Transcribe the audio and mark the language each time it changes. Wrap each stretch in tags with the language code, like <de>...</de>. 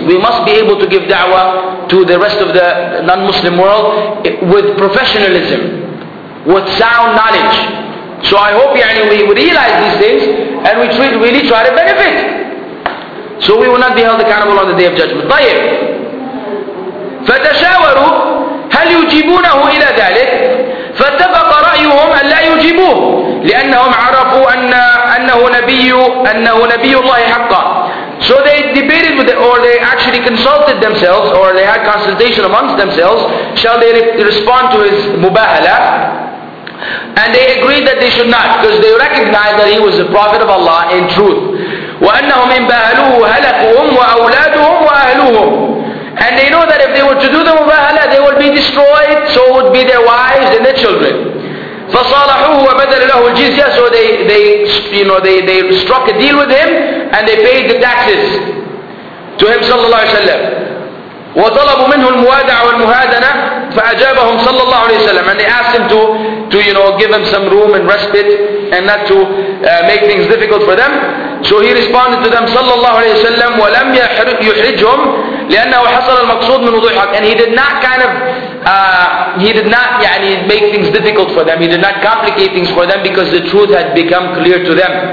<en>We must be able to give da'wah to the rest of the non-Muslim world with professionalism, with sound knowledge. So I hope, yani, we realize these things and we really try to benefit. So we will not be held accountable on the Day of Judgment.</en> <ar>طيب. فتشاوروا هل يجيبونه إلى ذلك؟ فاتفق رأيهم أن لا يجيبوه لأنهم عرفوا أنه نبي الله حقا.</ar> <en>So they debated with them, or they actually consulted themselves, or they had consultation amongst themselves. Shall they respond to his mubahala? And they agreed that they should not, because they recognized that he was the prophet of Allah in truth.</en> <ar>وأنهم إن باهلوه هلكوهم وأولادهم وأهلوهم.</ar> <en>And they know that if they were to do the mubahala, they would be destroyed, so would be their wives and their children.</en> <ar>فصالحوه وبدل له الجزية.</ar> <en>So they struck a deal with him and they paid the taxes to him</en> <ar>صلى الله عليه وسلم. وطلبوا منه الموادعة والمهادنة فأجابهم صلى الله عليه وسلم.</ar> <en>And they asked him to you know, give him some room and respite and not to make things difficult for them. So he responded to them</en> <ar>صلى الله عليه وسلم ولم يحرجهم لأنه حصل المقصود من وضوح حق.</ar> <en>And he did not kind of he did not make things difficult for them. He did not complicate things for them because the truth had become clear to them.</en>